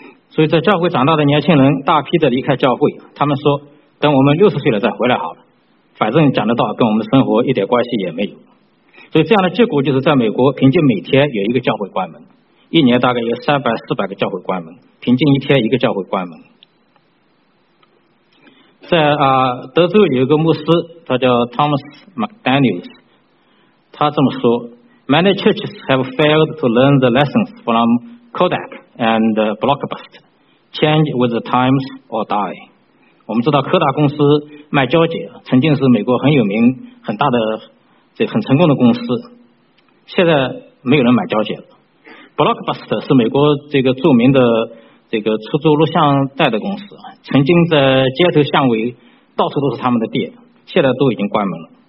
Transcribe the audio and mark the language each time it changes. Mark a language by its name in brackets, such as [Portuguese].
[Chinese] 所以在教会长大的年轻人大批的离开教会，他们说等我们60岁了再回来好了，反正讲得到跟我们的生活一点关系也没有。所以这样的结果就是在美国平均每天有一个教会关门，一年大概有300-400个教会关门，平均一天一个教会关门。在德州有一个牧师，他叫 Thomas McDaniels， 他这么说 ： [English] Many churches have failed to learn the lessons from Kodak and Blockbuster. Change with the times or die. [Chinese] 我们知道柯达公司卖胶卷，曾经是美国很有名、很大的、这很成功的公司，现在没有人买胶卷了。 Blockbuster 是美国这个著名的这个出租录像带的公司，曾经在街头巷尾到处都是他们的店，现在都已经关门了。